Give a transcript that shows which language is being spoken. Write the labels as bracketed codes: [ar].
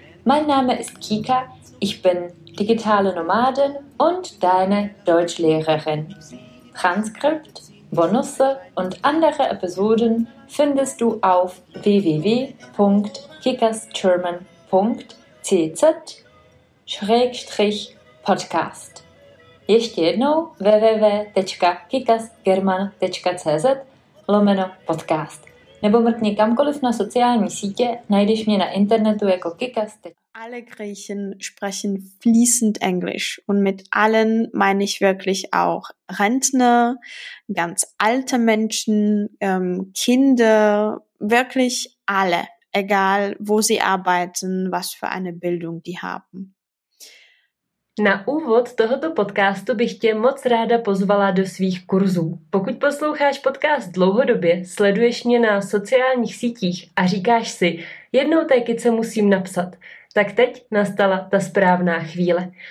[de] Mein Name ist Kika, ich bin digitale Nomadin und deine Deutschlehrerin. Transkript, Bonusse und andere Episoden findest du auf www.kikasgerman.cz/podcast. [cs] Ještě jednou www.kikasgerman.cz/podcast. Nebo mrkni kamkoliv na sociální sítě, najdeš mě na internetu jako kikas. [de] Alle Griechen sprechen fließend Englisch und mit allen meine ich wirklich auch Rentner, ganz alte Menschen, Kinder, wirklich alle, egal wo sie arbeiten, was für eine Bildung die haben. [cs] Na úvod tohoto podcastu bych tě moc ráda pozvala do svých kurzů. Pokud posloucháš podcast dlouhodobě, sleduješ mě na sociálních sítích a říkáš si, jednou té Kice musím napsat, tak teď nastala ta správná chvíle.